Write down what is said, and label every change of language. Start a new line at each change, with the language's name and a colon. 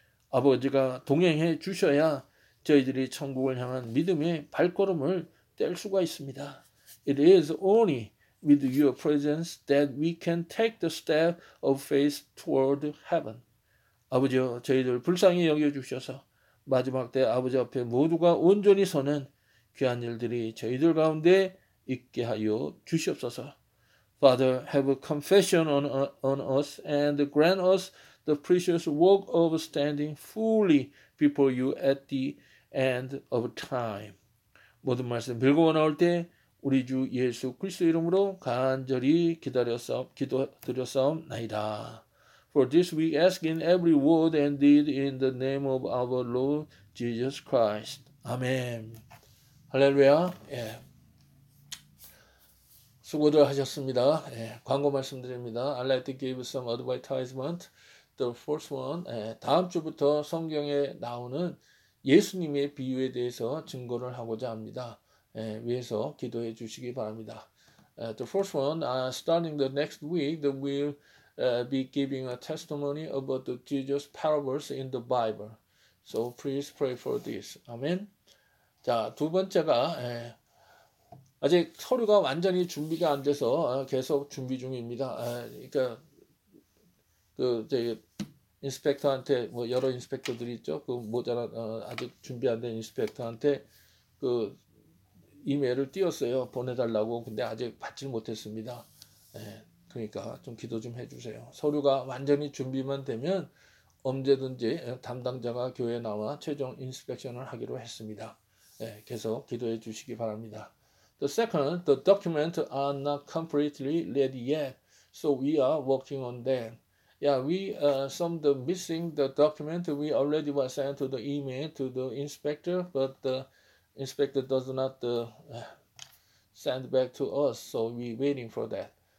Korean: 아버지가 동행해 주셔야 저희들이 천국을 향한 믿음의 발걸음을 뗄 수가 있습니다.
English: It is only with your presence that we can take the step of faith toward heaven.
Korean: 아버지여 저희들 불쌍히 여겨주셔서 마지막 때 아버지 앞에 모두가 온전히 서는 귀한 일들이 저희들 가운데 있게 하여 주시옵소서.
English: Father, have a confession on us and grant us the precious work of standing fully before you at the end of time.
Korean: 모든 말씀 빌고 나올 때 우리 주 예수 그리스도 이름으로 간절히 기도드렸사옵나이다.
English: For this we ask in every word and deed in the name of our Lord Jesus Christ. Amen. 할렐루야. 예. 수고들 하셨습니다. 예. 광고 말씀드립니다. I'd like to give some advertisement. The first one, 예.
Korean: 다음 주부터 성경에 나오는 예수님의 비유에 대해서 증거를 하고자 합니다. 예, 위해서 기도해 주시기 바랍니다.
English: The first one, starting the next week, we'll be giving a testimony about the Jesus parables in the Bible. So please pray for this. Amen.
Korean: 자, 두 번째가 예, 아직 서류가 완전히 준비가 안 돼서 계속 준비 중입니다. 그러니까 그 저기 인스펙터한테 뭐 여러 인스펙터들이 있죠. 그 모자란 아직 준비 안 된 인스펙터한테 그 이메일을 띄웠어요. 보내달라고. 근데 아직 받지 못했습니다. 예, 그러니까 좀 기도 좀 해주세요. 서류가 완전히 준비만 되면 언제든지 담당자가 교회에 나와 최종 인스펙션을 하기로 했습니다. 예, 계속 기도해 주시기 바랍니다.
English: The second, the documents are not completely ready yet, so we are working on them. Yeah, some of the missing the document we already were sent to the email to the inspector, but the inspector does not send back to us, so we waiting for that.